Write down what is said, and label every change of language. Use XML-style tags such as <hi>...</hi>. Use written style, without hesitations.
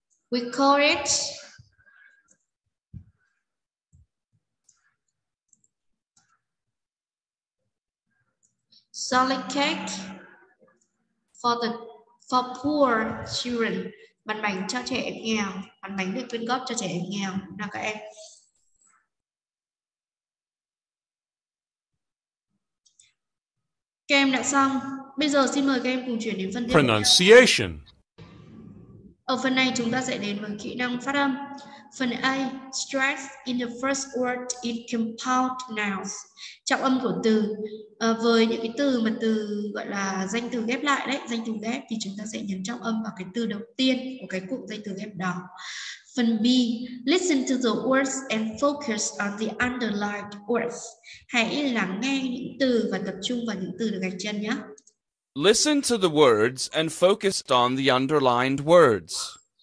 <en>We call it solid cake for poor children,</en> <vi>bán bánh cho trẻ em nghèo, bán bánh được quyên góp cho trẻ em nghèo, nào các em. Các em đã xong. Bây giờ xin mời các em cùng chuyển đến phần tiếp theo.</vi> <en>Pronunciation.</en> <vi>Ở phần này chúng ta sẽ đến với kỹ năng phát âm.</vi> <en>Phần A, stress in the first word in compound nouns.</en> <vi>Trọng âm của từ. Với những cái từ mà từ gọi là danh từ ghép lại đấy, danh từ ghép thì chúng ta sẽ nhấn trọng âm vào cái từ đầu tiên của cái cụm danh từ ghép đó.</vi> <en>Phần B, listen to the words and focus on the underlined words.</en> <vi>Hãy lắng nghe những từ và tập trung vào những từ được gạch chân nhé.</vi> <en>Listen to the words and focus on the underlined words.</en>